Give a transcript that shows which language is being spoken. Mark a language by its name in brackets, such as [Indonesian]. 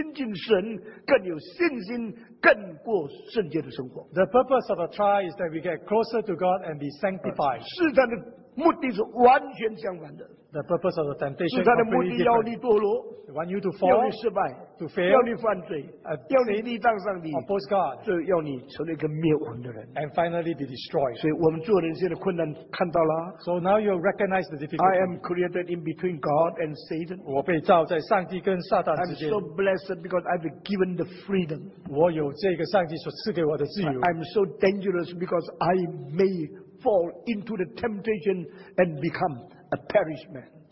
[Chinese] 试炼的目的是使我们更亲近神，更有信心。 [English] The purpose of a trial is that we get closer to God and be sanctified. [Chinese] 试探的目的是完全相反的。 [English] The purpose of the temptation is completely different. They want you to fall, [Chinese] 要你失败, [English] to fail, [Chinese] 要你犯罪, 要你立当上帝, [English] oppose God, [Chinese] 要你成为一个灭亡的人, [English] and finally be destroyed. [Chinese] 所以我们做人现在困难看到了, [English] so now you recognize the difficulty. I am created in between God and Satan. [Chinese] 我被造在上帝跟撒旦之间, [English] I'm so blessed because I've been given the freedom. [Chinese] 我有这个上帝所赐给我的自由, [English] I'm so dangerous because I may fall into the temptation and become a perish man.